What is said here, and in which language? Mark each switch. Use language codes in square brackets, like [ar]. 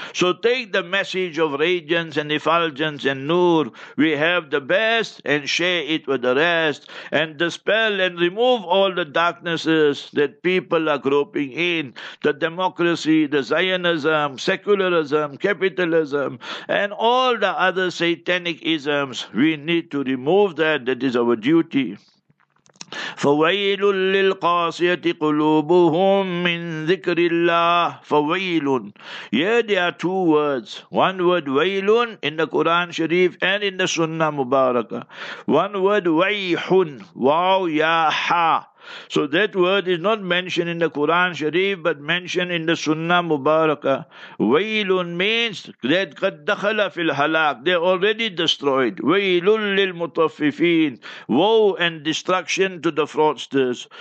[en] So take the message of radiance and effulgence and Noor, we have the best, and share it with the rest, and dispel and remove all the darknesses that people are groping in, the democracy, the Zionism, secularism, capitalism, and all the other satanic isms. We need to remove that. That is our duty. [ar] فَوَيْلٌ لِلْقَاسِيَةِ قُلُوبُهُمْ مِنْ ذِكْرِ اللَّهِ. [en] فَوَيْلٌ, here there are two words. One word وَيْلٌ in the Quran Sharif and in the Sunnah Mubarakah. One word وَيْحٌ, [ar] وَاوْ يَاحَا. [en] So that word is not mentioned in the Quran Sharif, but mentioned in the Sunnah Mubarakah. Wailun means that [ar] قد دخل في الهلاك, [en] they are already destroyed. Wailun للمطففين, woe and destruction to the fraudsters.